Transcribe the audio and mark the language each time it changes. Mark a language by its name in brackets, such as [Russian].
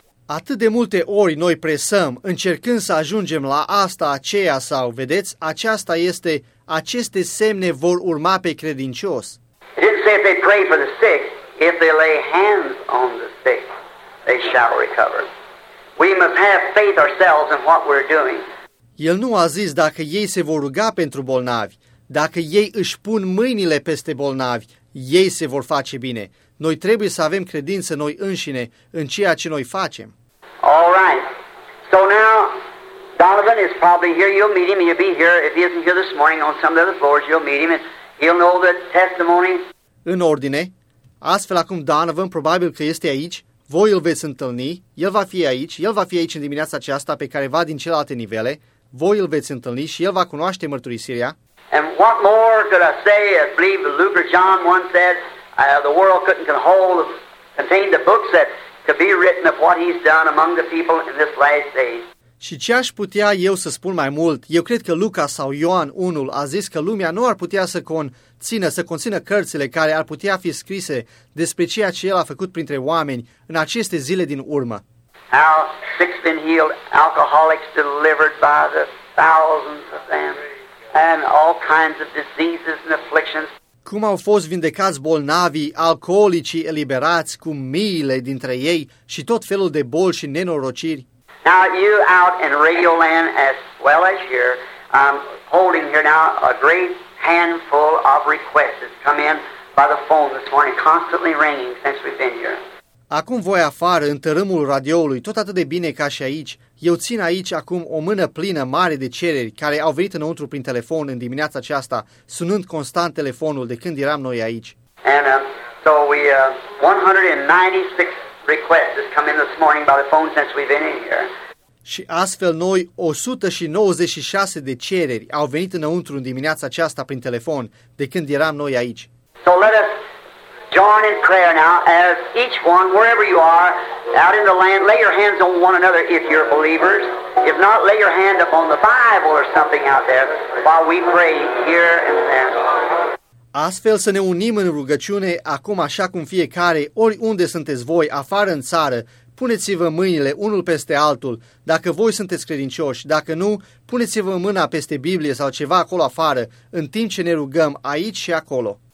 [Romanian] Atât de multe ori noi presăm, încercând să ajungem la asta, aceea sau, vedeți, aceasta este, aceste semne vor urma pe credincios. [English] It didn't say if they pray for the sick, if they lay hands on the sick, they shall recover. We must have faith ourselves in what we're doing. [Romanian] El nu a zis dacă ei se vor ruga pentru bolnavi, dacă ei își pun mâinile peste bolnavi, ei se vor face bine. Noi trebuie să avem credință noi înșine în ceea ce noi facem. [English] All right. So now, Donovan is probably here. You'll meet him. He'll be here. If he isn't here this morning on some of the other floors, you'll meet him. And he'll know the testimony. [Romanian] În ordine, astfel acum Donovan probabil că este aici. Voi îl veți întâlni. El va fi aici. El va fi aici în dimineața aceasta pe careva din celelalte nivele. Voi îl veți întâlni și el va cunoaște mărturisirea. [English] And what more could I say? I believe Luke or John once said, the world couldn't contain the books that could be written of what he's done among the people in this last day. [Romanian] Și ce aș putea eu să spun mai mult? Eu cred că Luca sau Ioan unul a zis că lumea nu ar putea să conțină cărțile care ar putea fi scrise despre ceea ce el a făcut printre oameni în aceste zile din urmă. [English] How sick and healed alcoholics delivered by the thousands of them and all kinds of diseases and afflictions. [Romanian] Cum au fost vindecați bolnavii, alcoolicii eliberați cu miile dintre ei și tot felul de boli și nenorociri. [English] Now you out in Radio Land as well as here, holding here now a great handful of requests that's come in by the phone this morning, constantly ringing since we've been here. [Romanian] Acum voi afară, în tărâmul radioului, tot atât de bine ca și aici, eu țin aici acum o mână plină mare de cereri care au venit înăuntru prin telefon în dimineața aceasta, sunând constant telefonul de când eram noi aici. [English] And so we 196 requests has come in this morning by the phone since we've been in here. [Romanian] Și astfel noi 196 de cereri au venit înăuntru în dimineața aceasta prin telefon de când eram noi aici. [English] So let us join in prayer now as each one, wherever you are, out in the land, lay your hands on one another if you're believers. If not, lay your hand upon the Bible or something out there while we pray here and there. [Romanian] Astfel să ne unim în rugăciune acum așa cum fiecare, oriunde sunteți voi, afară în țară, puneți-vă mâinile unul peste altul, dacă voi sunteți credincioși, dacă nu, puneți-vă mâna peste Biblie sau ceva acolo afară, în timp ce ne rugăm aici și acolo.